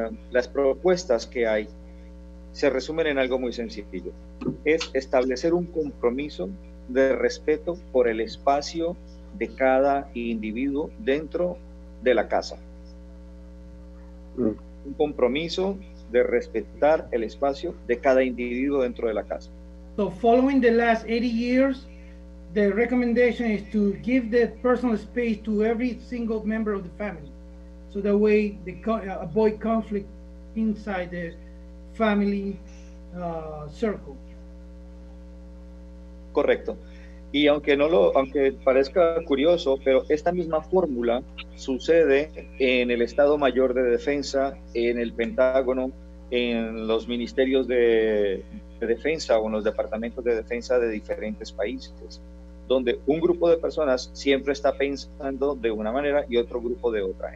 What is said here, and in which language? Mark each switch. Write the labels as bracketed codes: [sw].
[es] las propuestas que hay se resumen en algo muy sencillo: es establecer un compromiso de respeto por el espacio de cada individuo dentro de la casa. Un compromiso de respetar el espacio de cada individuo dentro de la casa. [en] So, following the last 80 years, the recommendation is to give the personal space to every single member of the family. So that way they avoid conflict inside the family circle. [es] Correcto. Y aunque parezca curioso, pero esta misma fórmula sucede en el Estado Mayor de Defensa, en el Pentágono, en los ministerios de defensa o en los departamentos de defensa de diferentes países, donde un grupo de personas siempre está pensando de una manera y otro grupo de otra.